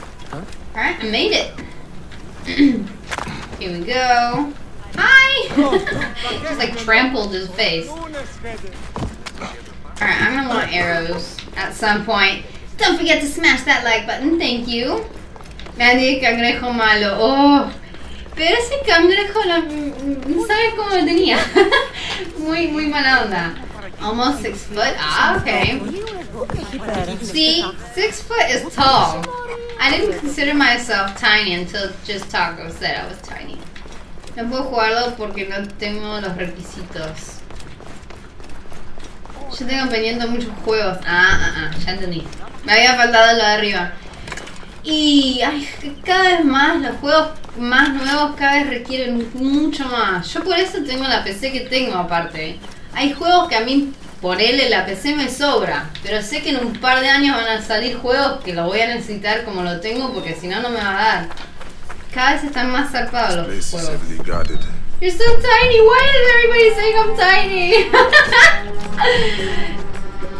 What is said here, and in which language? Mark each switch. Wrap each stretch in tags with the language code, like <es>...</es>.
<en>Huh? Alright, I made it. Here we go. Hi! Just like trampled his face. Alright, I'm gonna want arrows at some point. Don't forget to smash that like button, thank you.</en> <es>Mandy, cangrejo malo. Oh! Pero ese cangrejo, la, no sabes cómo lo tenía. Muy, muy mala onda.</es> <en>Almost 6 foot. Ah, okay. See, 6 foot is tall. I didn't consider myself tiny until just Taco said I was tiny.</en> <es>No puedo jugarlo porque no tengo los requisitos. Yo tengo pendiente muchos juegos. Ya entendí. Me había faltado lo de arriba. Y ay, cada vez más los juegos más nuevos cada vez requieren mucho más. Yo por eso tengo la PC que tengo aparte. Hay juegos que a mí, por él, la PC me sobra. Pero sé que en un par de años van a salir juegos que lo voy a necesitar como lo tengo porque si no, no me va a dar. Cada vez están más zarpados los juegos.</es> <en>You're so tiny, why is everybody saying I'm tiny?</en>